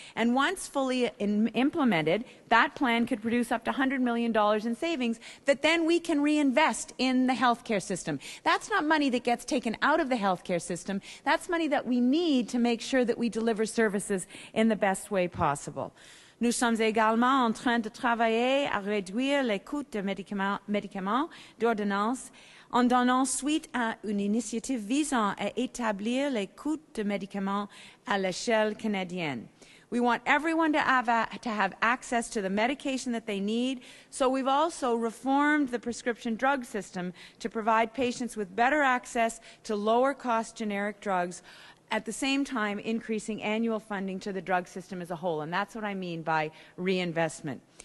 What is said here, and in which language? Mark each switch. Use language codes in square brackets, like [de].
[en] And once fully implemented, that plan could produce up to $100 million in savings that then we can reinvest in the healthcare system. That's not money that gets taken out of the healthcare system. That's money that we need to make sure that we deliver services in the best way possible. [fr] Nous sommes également en train de travailler à réduire les coûts de médicaments d'ordonnance en donnant suite à une initiative visant à établir les coûts de médicaments à l'échelle canadienne. [en] We want everyone to have access to the medication that they need, so we've also reformed the prescription drug system to provide patients with better access to lower cost generic drugs, at the same time increasing annual funding to the drug system as a whole, and that's what I mean by reinvestment.